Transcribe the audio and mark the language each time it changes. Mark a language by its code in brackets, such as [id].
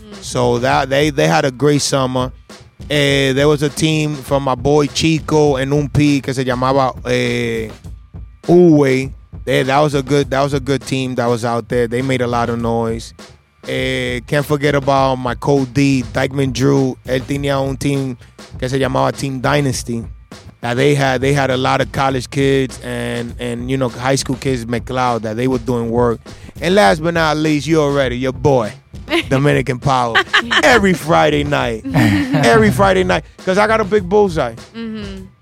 [en] So that they had a great summer. There was a team from my boy Chico and [es] un P que se llamaba Uwe. [en] That was a good team that was out there. They made a lot of noise. Can't forget about my code D, Dykeman Drew. [es] Él tenía un team que se llamaba Team Dynasty. [en] That they had a lot of college kids and you know, high school kids, McLeod, that they were doing work. And last but not least, you already, your boy, Dominican Power, every Friday night. Because I got a big bullseye. Mm-hmm.